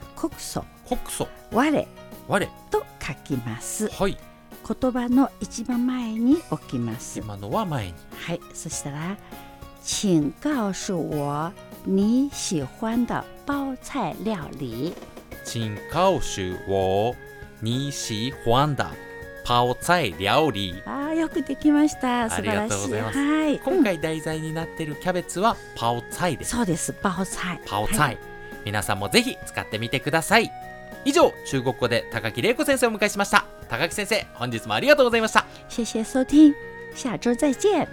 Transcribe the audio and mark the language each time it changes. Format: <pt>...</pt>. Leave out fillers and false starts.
<zh>告訴。告訴。我。我。</zh> <ja>と書きます。はい。言葉の一番前に置きます。今のは前に。はい。そしたら、</ja> <zh>请告诉我你喜欢的包菜料理。请告诉我你喜欢的泡菜料理。</zh> <ja>あ、よくできました。素晴らしい。ありがとうございます。はい、今回題材になっているキャベツは泡菜です。そうです、泡菜、泡菜、はい、皆さんもぜひ使ってみてください。以上、中国語で高木玲子先生をお迎えしました。高木先生、本日もありがとうございました。</ja> <zh>谢谢收听，下周再见。</zh>